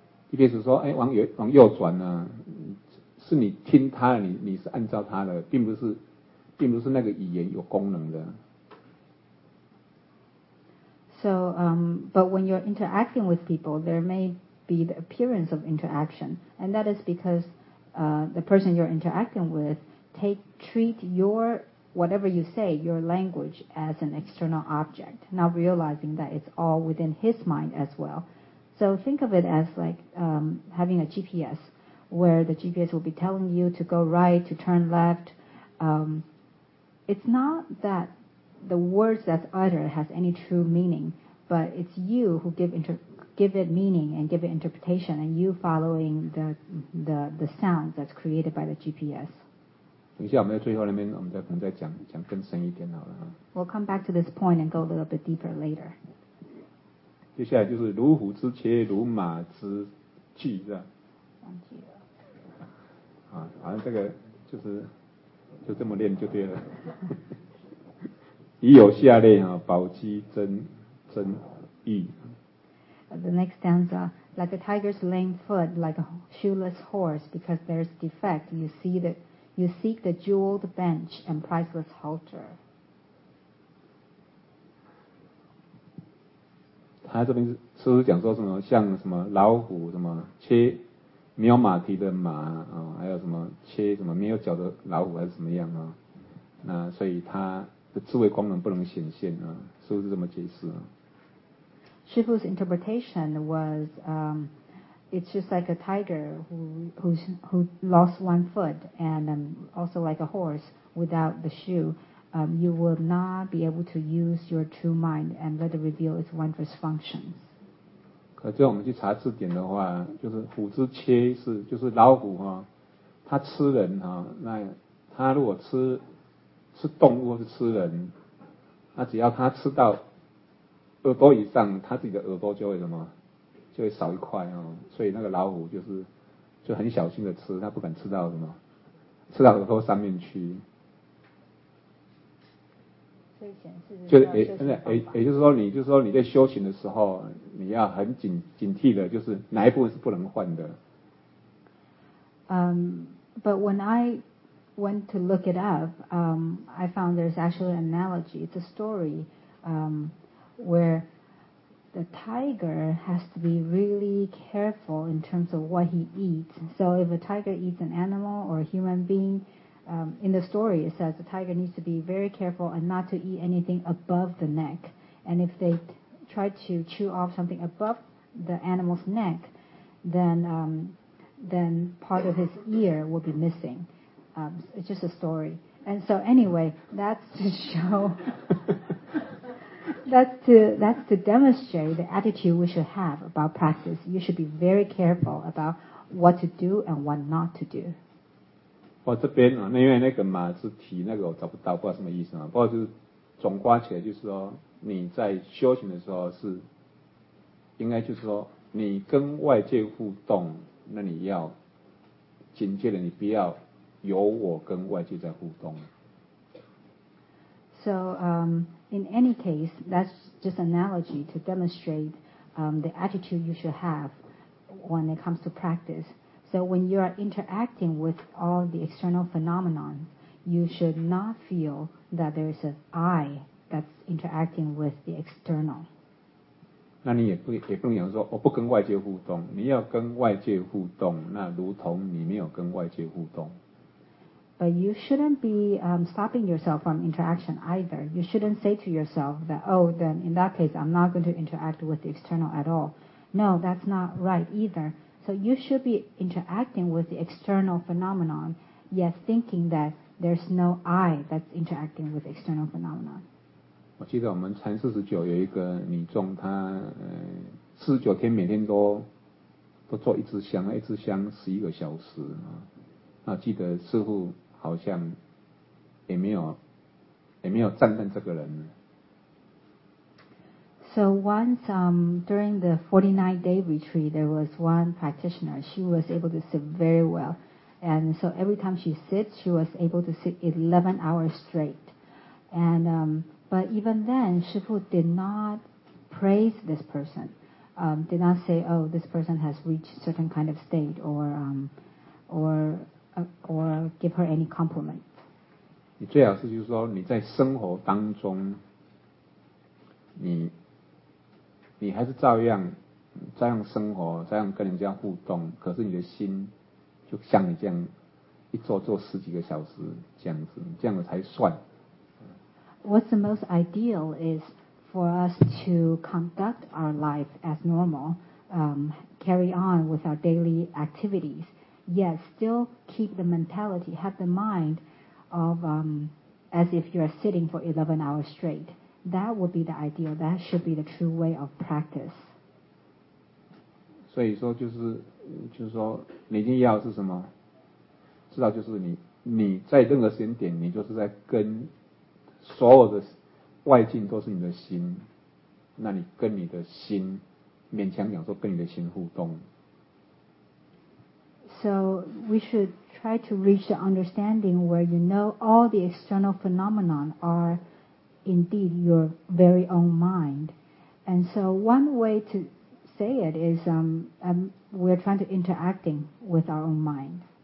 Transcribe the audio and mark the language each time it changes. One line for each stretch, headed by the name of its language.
Chinese: 一边是说，哎，往右转呢、啊，是你听他的，你是按照他的，并不是那个语言有功能的。
English: So, but when you're interacting with people, there may be the appearance of interaction, and that is because the person you're interacting with treat your whatever you say, your language as an external object, not realizing that it's all within his mind as well. So think of it as like having a GPS, where the GPS will be telling you to go right, to turn left. It's not that the words that's uttered has any true meaning, but it's you who give it meaning and give it interpretation, and you following the sound that's created by the GPS.
Chinese: 等一下我们在最后那边我们再可能再讲讲更深一点好了。
English: We'll come back to this point and go a little bit deeper later.
Chinese: 接下来就是如虎之切，如马之锯，是吧？忘记了。啊，反正这个就是就这么练就对了。已有下列啊，宝鸡真真玉。
English: The next stanza, like a tiger's lame foot, like a shoeless horse, because there's defect, you see that you seek the jeweled bench and priceless halter.
Chinese: 他这边是不是讲说什么像什么老虎什么切没有马蹄的马啊、哦，还有什么切什么没有脚的老虎还是怎么样啊、哦？那所以他的智慧功能不能显现啊，是不是这么解释啊？
English: 师父's interpretation was, it's just like a tiger who lost one foot, and also like a horse without the shoe. You will not be able to use your true mind and let it reveal its wondrous functions.
Chinese: 可是我们去查字典的话，就是虎之切是就是老虎哈、哦，它吃人哈、哦，那它如果吃动物或是吃人，那只要它吃到。耳朵以上，他自己的耳朵就会什么，就会少一块哦。所以那个老虎就很小心的吃，他不敢吃到什么，吃到耳朵上面去。所以显示就是说你，就是说你在修行的时候，你要很警惕的，就是哪一部分是不能换的。
English: But when I went to look it up, I found there's actually an analogy. It's a story. Where the tiger has to be really careful in terms of what he eats. So if a tiger eats an animal or a human being, in the story it says the tiger needs to be very careful and not to eat anything above the neck. And if they try to chew off something above the animal's neck, then part of his ear will be missing. It's just a story. And so anyway, that's to show... That's to demonstrate the attitude we should have about practice. You should be very careful about what to do and what not to do.
Chinese: 我这边啊，那因为那个马之蹄那个我找不到，不知道什么意思啊。不过就是总括起来就是说，你在修行的时候是应该就是说，你跟外界互动，那你要警戒的，你不要有我跟外界在互动。
English: So, in any case, that's just an analogy to demonstrate the attitude you should have when it comes to practice. So when you are interacting with all the external phenomena, you should not feel that there is an I that's interacting with the external.
Chinese: 那你也不能讲说我不跟外界互动，你要跟外界互动，那如同你没有跟外界互动。
English: But you shouldn't be stopping yourself from interaction either. You shouldn't say to yourself that, oh, then in that case, I'm not going to interact with the external at all. No, that's not right either. So you should be interacting with the external phenomenon, yet thinking that there's no I that's interacting with external phenomenon.
Chinese: 我记得我们禅49有一个女众，她49天每天都做一支香，一支香11个小时那记得师父好像也没有赞叹这个人。
English: So once during the 49 day retreat, there was one practitioner. She was able to sit very well, and so every time she sits, she was able to sit 11 hours straight. And but even then, 师父 did not praise this person. Did not say, oh, this person has reached certain kind of state or give her any compliment.
Chinese: 你最好是就是说你在生活当中，你还是照样生活，照样跟人家互动，可是你的心就像你这样一坐十几个小时这样子，这样子才算。 What's the most ideal is for us to conduct our life as normal, carry on with our daily activities. Yet still keep the mentality, have the mind of as if you are sitting for 11 hours straight. That would be the ideal. That should be the true way of practice. 所以说就是说，你一定要是什么？知道就是你你在任何时间点，你就是在跟所有的外境都是你的心，那你跟你的心，勉强讲说跟你的心互动。
English: So we should try to reach the understanding where you know all the external phenomenon are indeed your very own mind. And so one way to say it is we're trying to interacting with our own mind.